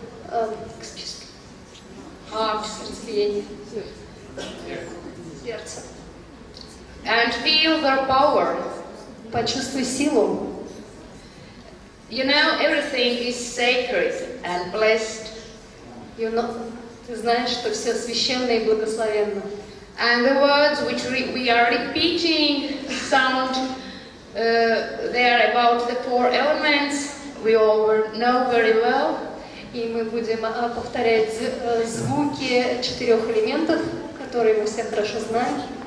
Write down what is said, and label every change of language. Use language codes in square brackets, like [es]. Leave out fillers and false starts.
[ru] сердце. [en] And feel their power. [ru] Почувствуй силу. [en] You know, everything is sacred and blessed. You know, [ru] ты знаешь, что все священно и благословенно. [en] And the words which we are repeating sound there about the four elements we all know very well. [ru] И мы будем повторять звуки четырех элементов, которые мы все хорошо знаем.